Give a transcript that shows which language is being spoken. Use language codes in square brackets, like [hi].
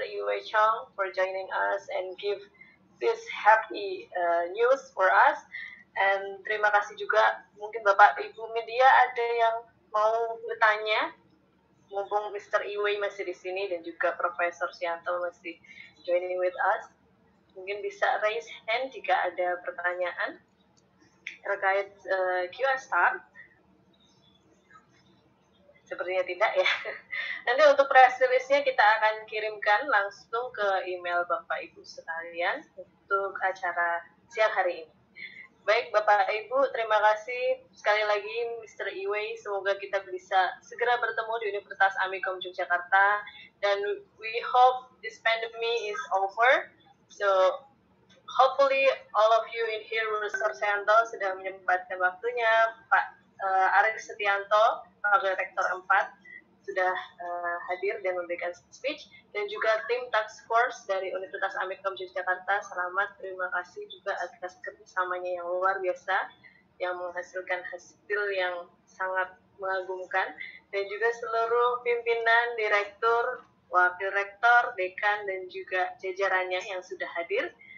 [en] Yue Chong for joining us and give this happy news for us. [id] And terima kasih juga, mungkin Bapak Ibu media ada yang mau bertanya, mumpung Mr. Iwe masih di sini dan juga Profesor Sianto masih joining with us, mungkin bisa raise hand jika ada pertanyaan terkait QS Star. Sepertinya tidak ya. Nanti untuk press release-nya kita akan kirimkan langsung ke email Bapak Ibu sekalian untuk acara siang hari ini. Baik Bapak Ibu, terima kasih sekali lagi Mr. Iwe. Semoga kita bisa segera bertemu di Universitas Amikom Yogyakarta. [en] Dan we hope this pandemic is over. So hopefully all of you in here, Mr. [id] Sianto sudah menyempatkan waktunya, Pak Arief Setianto, Pak Rektor 4, sudah hadir dan memberikan speech, dan juga tim task force dari Universitas Amikom Yogyakarta, selamat, terima kasih juga atas kerjasamanya yang luar biasa, yang menghasilkan hasil yang sangat mengagumkan, dan juga seluruh pimpinan, direktur, wakil rektor, dekan, dan juga jajarannya yang sudah hadir.